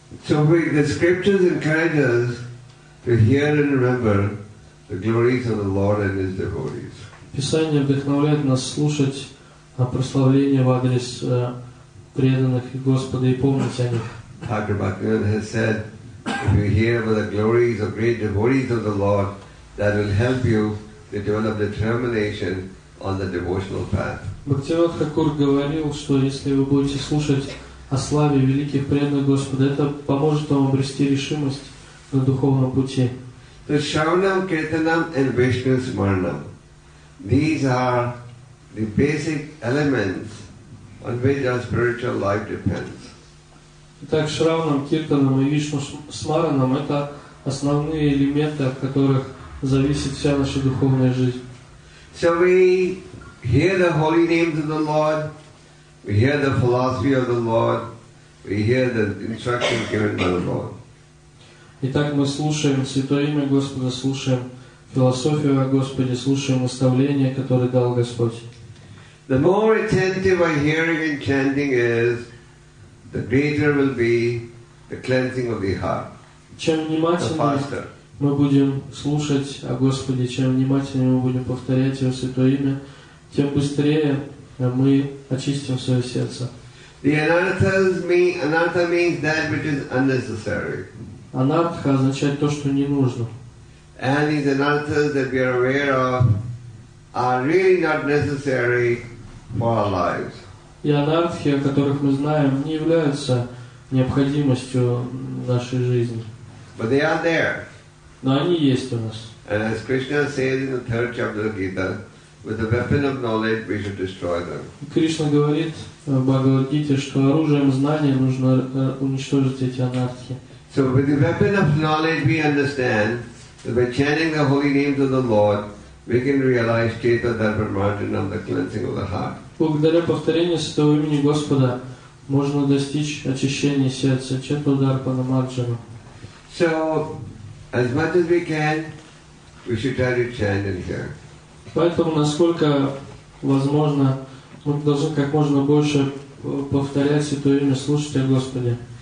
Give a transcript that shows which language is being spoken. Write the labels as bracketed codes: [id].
[en] So the scriptures encourage us to hear and remember the glories of the Lord and His devotees. [ru] Писание вдохновляет нас слушать прославления в адрес преданных Господа и помнить о них. [en] Thakur Bhaktivinoda has said, if you hear about the glories of great devotees of the Lord, that will help you to develop determination on the devotional path. [ru] Бхактивинода Тхакур говорил, что если вы будете слушать о славе великих преданных Господа, это поможет вам обрести решимость на духовном пути. [en] So Shravanam, Kirtanam and Vishnu Smaranam, these are the basic elements on which our spiritual life depends. [ru] Итак, Шравнам, Киртанам и Вишну Смаранам – это основные элементы, от которых зависит вся наша духовная жизнь. [en] So we hear the holy names of the Lord, we hear the philosophy of the Lord, we hear the instructions given by the Lord. [ru] Итак, мы слушаем Святое Имя Господа, слушаем философию о Господе, слушаем наставления, которые дал Господь. [en] The more attentive our hearing and chanting is, the greater will be the cleansing of the heart. [ru] Чем внимательнее мы будем слушать о Господе, чем внимательнее мы будем повторять Его Святое Имя, тем быстрее мы очистим свое сердце. [en] The anartha means that which is unnecessary. [ru] Анартха означает то, что не нужно. [en] And these anarthas that we are aware of are really not necessary for our lives. [ru] И анартхи, о которых мы знаем, не являются необходимостью нашей жизни. [en] But they are there. [ru] Но они есть у нас. [en] And as Krishna says in the third chapter of Gita, with the weapon of knowledge we should destroy them. [ru] Кришна говорит в Бхагавад-гите, что оружием знания нужно уничтожить эти анартхи. [en] So with the weapon of knowledge we understand that by chanting the holy names of the Lord, we can realize Chaita Dharma Marjanam, the cleansing of the heart. [ru] Благодаря повторению Святого Имени Господа можно достичь очищения сердца, Чета Дарпана Марджана. [en] So, as much as we can, we should try to chant and hear. [ru] Поэтому, насколько возможно, мы должны как можно больше повторять Святое Имя, слушать о Господе.